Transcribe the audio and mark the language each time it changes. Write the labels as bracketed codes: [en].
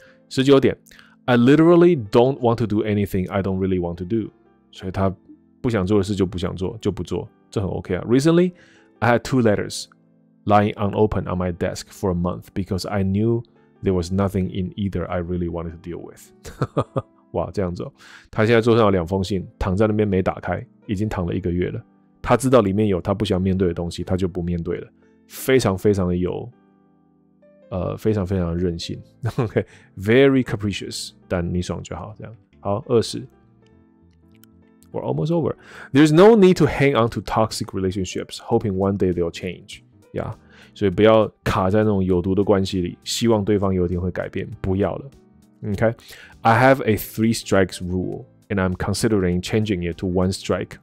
[en] 19点 ，I literally don't want to do anything I don't really want to do， [zh] 所以他。不想做的事就不想做，就不做，这很 OK 啊。 [en] Recently, I had 2 letters lying unopened on my desk for a month because I knew there was nothing in either I really wanted to deal with. [zh] 哇，这样子哦，他现在桌上有2封信，躺在那边没打开，已经躺了一个月了。他知道里面有他不想面对的东西，他就不面对了。非常非常的有，非常非常的任性。 [en] OK, very capricious, [zh] 但你爽就好，这样。好，20。 [en] We're almost over. There's no need to hang on to toxic relationships, hoping one day they'll change. [zh] Yeah, 所以不要卡在那种有毒的关系里，希望对方有一天会改变，不要了。 [en] Okay, I have a 3 strikes rule, and I'm considering changing it to 1 strike.